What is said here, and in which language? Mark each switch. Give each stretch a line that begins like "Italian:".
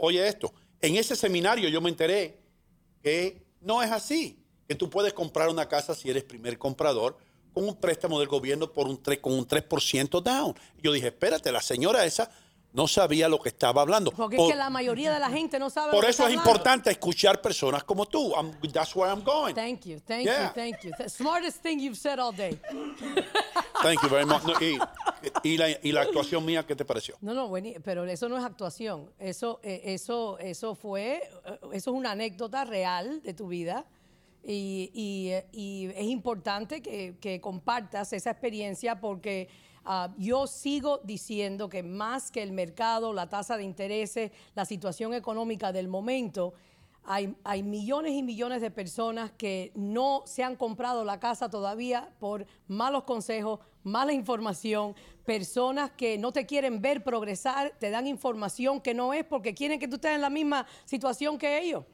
Spanish: Oye esto, en ese seminario yo me enteré que no es así, que tú puedes comprar una casa si eres primer comprador con un préstamo del gobierno por un 3, con un 3% down. Yo dije, espérate, la señora esa no sabía lo que estaba hablando. Porque es que la mayoría de la gente no sabe lo que está. Por eso es hablando. Importante escuchar personas como tú.
English: That's where I'm going. Thank you, thank yeah. you, thank you. The smartest thing you've said all day. Thank you very much.
Spanish: No, y la actuación mía, ¿qué te pareció? No, bueno, pero eso no es actuación. Eso es una anécdota real de tu vida. Y es importante que compartas esa experiencia porque yo sigo diciendo que más que el mercado, la tasa de intereses, la situación económica del momento, hay millones y millones de personas que no se han comprado la casa todavía por malos consejos, mala información, personas que no te quieren ver progresar, te dan información que no es porque quieren que tú estés en la misma situación que ellos.